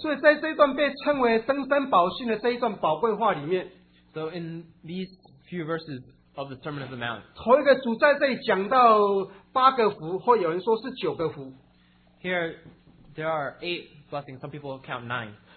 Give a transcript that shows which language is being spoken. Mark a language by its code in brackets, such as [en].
[zh] 所以在这一段被称为登山宝训的这一段宝贵话里面, [en] so in these few verses of the Sermon of the Mount, [zh] 头一个主在这里讲到八个福, 或有人说是九个福, [en] here there are eight blessings, some people count nine.